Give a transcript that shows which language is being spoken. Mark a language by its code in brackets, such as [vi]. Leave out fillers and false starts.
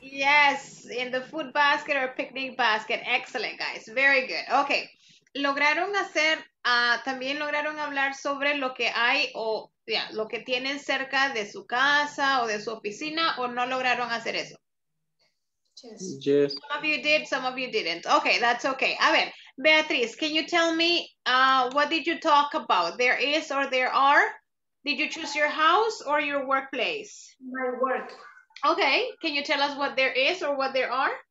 [en] Yes, in the food basket or picnic basket. Excellent, guys. Very good. Okay. [es] Lograron hacer, también lograron hablar sobre lo que hay o lo que tienen cerca de su casa o de su oficina o no lograron hacer eso. [en] Yes. Some of you did, some of you didn't. Okay, that's okay. [es] A ver, [en] Beatriz, can you tell me what did you talk about? There is or there are? Did you choose your house or your workplace? My work. Okay, can you tell us what there is or what there are?